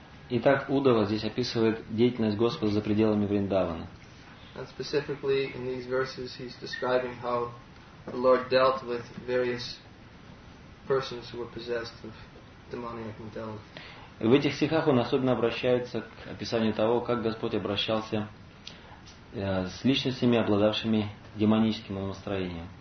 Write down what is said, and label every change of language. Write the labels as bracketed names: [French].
[Russian] Итак, Уддхава здесь описывает деятельность Господа за пределами Вриндавана. [English] And specifically in these verses he's describing how the Lord dealt with various persons who were possessed of demoniac mentality. [Russian] В этих стихах он особенно обращается к описанию того, как Господь обращался с личностями, обладавшими демоническим умонастроением.